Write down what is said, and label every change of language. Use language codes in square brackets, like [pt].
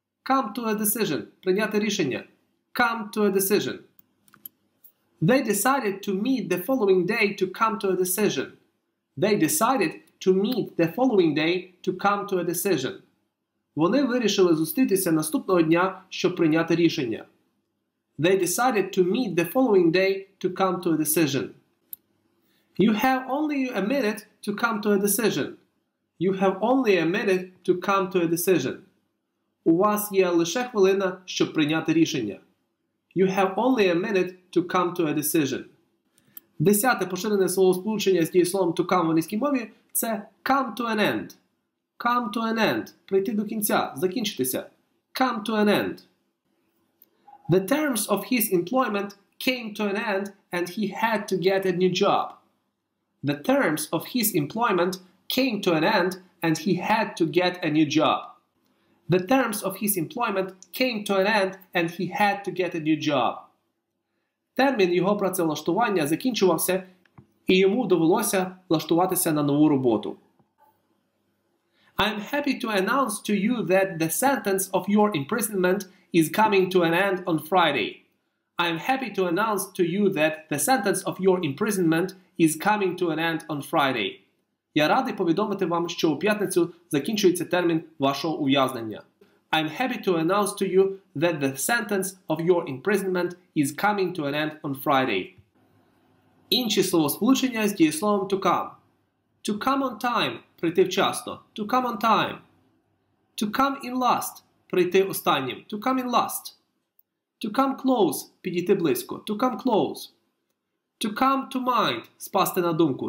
[en] Come to a decision – [uk] прийняти рішення. [en] Come to a decision. They decided to meet the following day to come to a decision. They decided to meet the following day to come to a decision. [uk] Вони вирішили зустрітися наступного дня, щоб прийняти рішення. [en] They decided to meet the following day to come to a decision. You have only a minute to come to a decision. You have only a minute to come to a decision. [uk] У вас є лише хвилина, щоб прийняти рішення. [en] You have only a minute to come to a decision. [uk] Десяте поширене словосполучення з дієсловом [en] to come [uk] в англійській мові – це [en] come to an end. Come to an end. [uk] Прийти до кінця. Закінчитися. [en] Come to an end. The terms of his employment came to an end and he had to get a new job. The terms of his employment came to an end and he had to get a new job. The terms of his employment came to an end and he had to get a new job. [uk] Термін його працевлаштування закінчувався, і йому довелося влаштуватися на нову роботу. [en] I'm happy to announce to you that the sentence of your imprisonment is coming to an end on Friday. I'm happy to announce to you that the sentence of your imprisonment is coming to an end on Friday. [uk] Я радий повідомити вам, що у п'ятницю закінчується термін вашого ув'язнення. [en] I'm happy to announce to you that the sentence of your imprisonment is coming to an end on Friday. [uk] Інші словосполучення з дієсловом [en] to come. To come on time – [uk] прийти вчасно. [en] To come on time. To come in last – [uk] прийти останнім. [en] To come in last. To come close – [uk] підійти близько. [en] To come close. To come to mind – [uk] спасти на думку.